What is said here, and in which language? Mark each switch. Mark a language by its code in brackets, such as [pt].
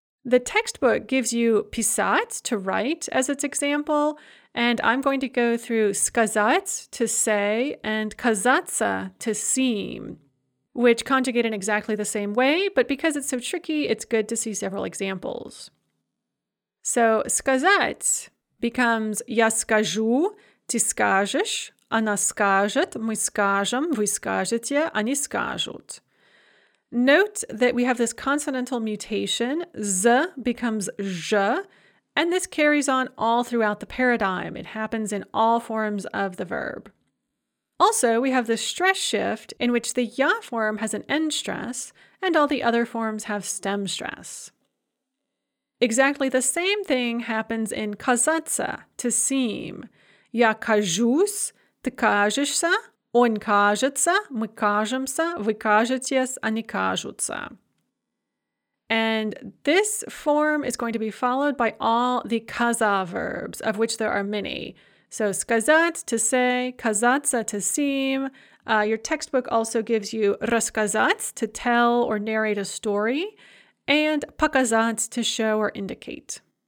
[en] The textbook gives you писать to write as its example, and I'm going to go through сказать to say and казаться to seem, which conjugate in exactly the same way, but because it's so tricky, it's good to see several examples. So [ru] сказать [en] becomes [ru] я скажу, ты скажешь, она скажет, мы скажем, вы скажете, они скажут. [en] Note that we have this consonantal mutation, z becomes zh, and this carries on all throughout the paradigm. It happens in all forms of the verb. Also, we have the stress shift in which the ya form has an end stress and all the other forms have stem stress. Exactly the same thing happens in казаться, to seem. [ru] Я кажусь, ты кажешься, он кажется, мы кажемся, вы кажетесь, они кажутся. [en] And this form is going to be followed by all the каза verbs, of which there are many. So сказать, to say, казаться, to seem. Your textbook also gives you рассказать, to tell or narrate a story, and показать, to show or indicate.